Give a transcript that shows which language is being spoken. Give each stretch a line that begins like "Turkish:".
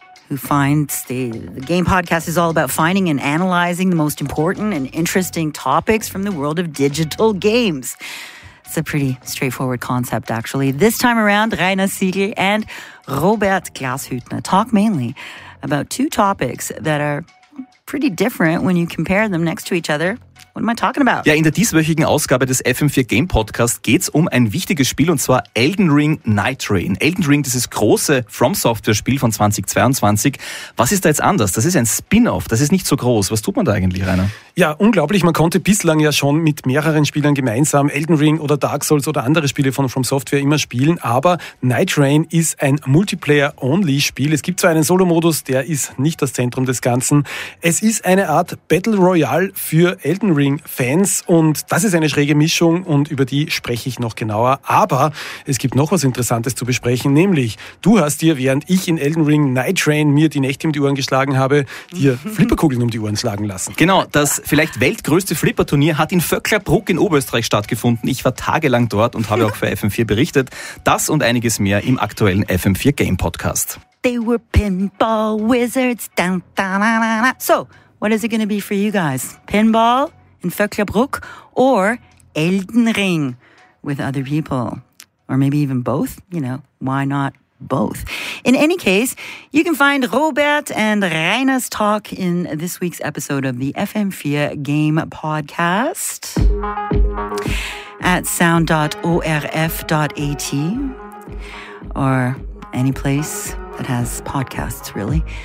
English: Who finds the game podcast is all about finding and analyzing the most important and interesting topics from the world of digital games. It's a pretty straightforward concept, actually. This time around, Rainer Siegel and Robert Glashüttner talk mainly about two topics that are pretty different when you compare them next to each other. What am I talking about?
German: Ja, in der dieswöchigen Ausgabe des FM4 Game Podcast geht's um ein wichtiges Spiel, und zwar Elden Ring Nightreign. Elden Ring, dieses große From Software-Spiel von 2022. Was ist da jetzt anders? Das ist ein Spin-off. Das ist nicht so groß. Was tut man da eigentlich, Rainer? Ja, unglaublich. Man konnte bislang ja schon mit mehreren Spielern gemeinsam Elden Ring oder Dark Souls oder andere Spiele von From Software immer spielen. Aber Nightreign ist ein Multiplayer-Only-Spiel. Es gibt zwar einen Solo-Modus, der ist nicht das Zentrum des Ganzen. Es ist eine Art Battle Royale für Elden Ring Fans, und das ist eine schräge Mischung, und über die spreche ich noch genauer. Aber es gibt noch was Interessantes zu besprechen, nämlich du hast dir, während ich in Elden Ring Nightreign mir die Nächte um die Ohren geschlagen habe, dir Flipperkugeln um die Ohren schlagen lassen. Genau, das vielleicht weltgrößte Flipperturnier hat in Vöcklabruck in Oberösterreich stattgefunden. Ich war tagelang dort und habe auch für FM4 berichtet. Das und einiges mehr im aktuellen FM4 Game Podcast.
English: They were pinball wizards. Dun, dun, dun, dun, dun. So, what is it going to be for you guys? Pinball in Vöcklabruck or Elden Ring with other people? Or maybe even both? You know, why not both? In any case, you can find Robert and Rainer's talk in this week's episode of the FM4 Game Podcast at sound.orf.at or any place that has podcasts, really.